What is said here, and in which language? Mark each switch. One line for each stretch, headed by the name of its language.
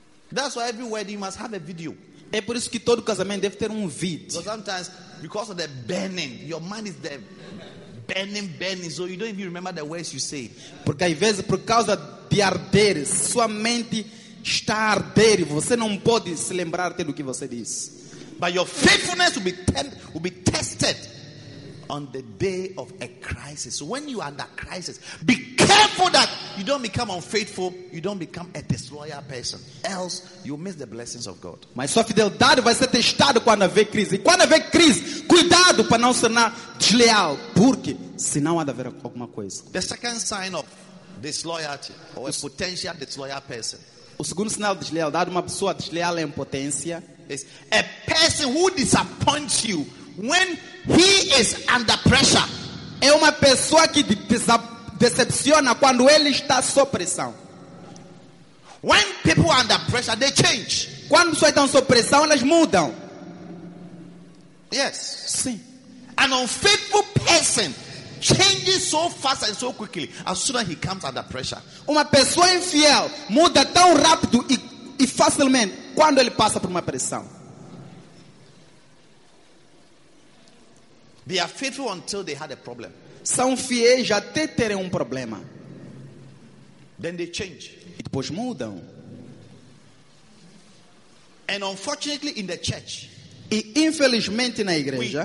English: That's why every wedding must have a video.
Portuguese: É por isso que todo casamento deve ter um vídeo.
English: Because sometimes, because of the burning, your mind is there, burning, so you don't even remember the words you say.
Portuguese: Porque às vezes, por causa de arder, sua mente está a arder, você não pode se lembrar até do que você disse.
English: But your faithfulness will be tested on the day of a crisis. So when you are under crisis, be careful that you don't become unfaithful, you don't become a disloyal person, else you miss the blessings of God.
Portuguese: Mas sua fidelidade vai ser testada quando haver crise. E quando haver crise, cuidado para não ser desleal, porque senão há de haver alguma coisa.
English: The second sign of disloyalty, or a potential disloyal person.
Portuguese: O segundo sinal de deslealdade, uma pessoa desleal em potência,
English: is a person who disappoints you when he is under pressure.
Portuguese: É uma pessoa que decepciona quando ele está sob pressão.
English: When people are under pressure, they change.
Portuguese: Quando pessoas estão sob pressão, elas mudam.
English: Yes.
Portuguese: Sim.
English: An unfaithful person changes so fast and so quickly as soon as he comes under pressure.
Portuguese: Uma pessoa infiel muda tão rápido e facilmente quando ele passa por uma pressão.
English: They are faithful until they had a problem.
Portuguese: São fiéis até terem problema.
English: Then they change.
Portuguese: E depois mudam.
English: And unfortunately in the church.
Portuguese: E infelizmente na igreja.